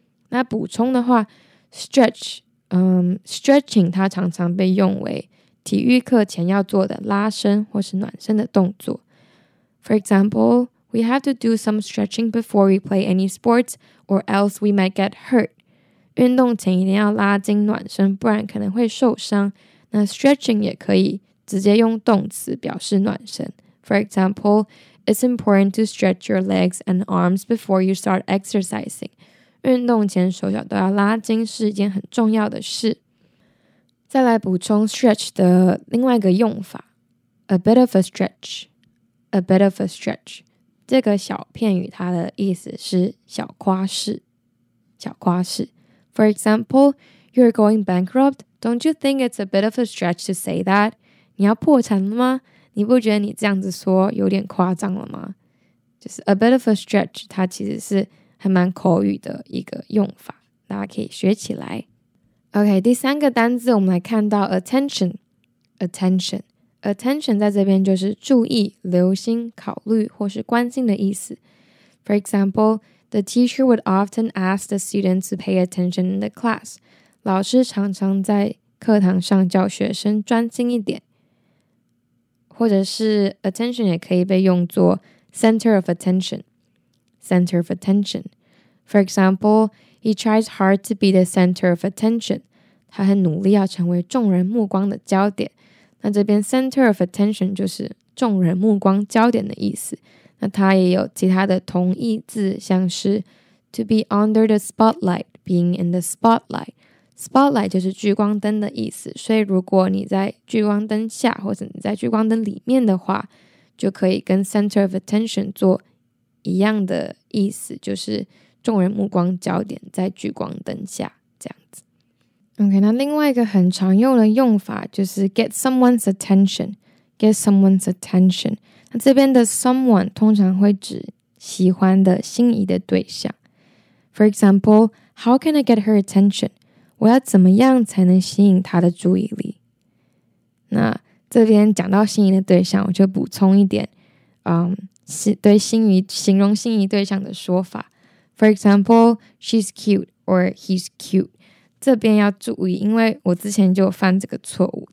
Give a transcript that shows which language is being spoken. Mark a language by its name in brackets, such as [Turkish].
[Chinese] 那补充的话， stretch stretching 它常常被用为体育课前要做的拉伸或是暖身的动作。 [English] For example, we have to do some stretching before we play any sports or else we might get hurt. [Chinese] 运动前一定要拉筋暖身，不然可能会受伤。那 stretching 也可以直接用动词表示暖身。 [English] For example, it's important to stretch your legs and arms before you start exercising. [Chinese] 运动前手脚都要拉筋是一件很重要的事。再来补充 stretch 的另外一个用法， [English] a bit of a stretch， a bit of a stretch， [Chinese] 这个小片语它的意思是小夸饰，小夸饰。 [English] For example, you're going bankrupt. Don't you think it's a bit of a stretch to say that? [Chinese] 你要破产了吗？你不觉得你这样子说有点夸张了吗？就是 [English] a bit of a stretch， [Chinese] 它其实是还蛮口语的一个用法，大家可以学起来。 OK， 第三个单字我们来看到 attention， attention， attention 在这边就是注意、留心、考虑或是关心的意思。 [English] For example, the teacher would often ask the students to pay attention in the class. [Chinese] 老师常常在课堂上叫学生专心一点。或者是 attention 也可以被用作 [English] center of attention， center of attention。 For example, he tries hard to be the center of attention. [Chinese] 他很努力要成为众人目光的焦点。那这边 [English] center of attention [Chinese] 就是众人目光焦点的意思。那它也有其他的同义字，像是 [English] to be under the spotlight, [Chinese] being in the spotlight. Spotlight 就是聚光灯的意思，所以如果你在聚光灯下或者你在聚光灯里面的话，就可以跟 [English] center of attention [Chinese] 做一样的意思，就是众人目光焦点在聚光灯下这样子。 OK, 那另外一个很常用的用法就是 [English] get someone's attention, get someone's attention。 [Chinese] 这边的 someone 通常会指喜欢的心仪的对象。 [English] For example, how can I get her attention? [Chinese] 我要怎么样才能吸引她的注意力？那这边讲到心仪的对象，我就补充一点对心仪形容心仪对象的说法。 [English] For example, she's cute or he's cute。 [Chinese] 这边要注意，因为我之前就犯这个错误。